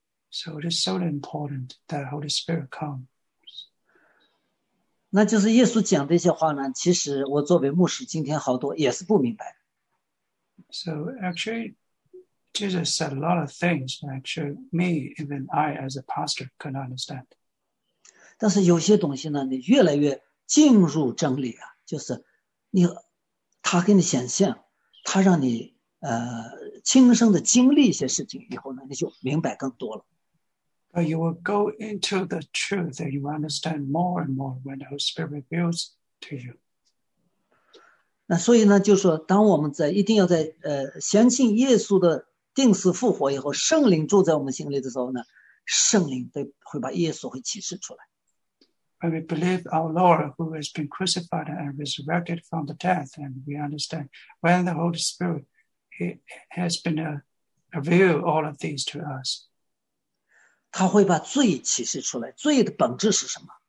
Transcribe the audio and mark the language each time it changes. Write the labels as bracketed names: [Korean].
[English] So it is so important that the Holy Spirit comes. [Chinese] 那就是耶稣讲这些话呢，其实我作为牧师今天好多也是不明白。 [English] So actually, Jesus said a lot of things, actually me, even I as a pastor, couldn't understand. [Chinese] 但是有些东西呢，你越来越进入真理啊，就是他给你显现，他让你亲身的经历一些事情以后呢，你就明白更多了。 [English] You will go into the truth and you understand more and more when the Holy Spirit reveals to you. [Chinese] 那所以呢，就是说，当我们在一定要在相信耶稣的钉死复活以后，圣灵住在我们心里的时候呢，圣灵会把耶稣会启示出来。 [English] When we believe our Lord who has been crucified and resurrected from the death, and we understand when the Holy Spirit has been revealed all of these to us. [Chinese] 他会把罪启示出来，罪的本质是什么？